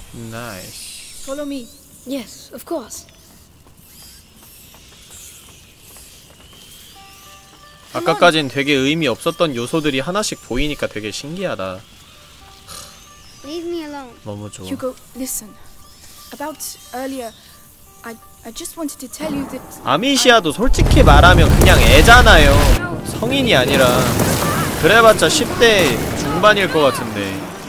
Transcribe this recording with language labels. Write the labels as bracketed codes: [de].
[en] Nice. Follow me. Yes, of course. Come [ko] 아까까진 [en] on. [ko] 되게 의미 없었던 요소들이 하나씩 보이니까 되게 신기하다. [en] Leave me alone. [ko] 너무 좋아. [en] Hugo, listen. About earlier, I just wanted to tell you that [ko] 아미시아도 솔직히 말하면 그냥 애잖아요. 성인이 아니라 그래봤자 10대 중반일 것 같은데.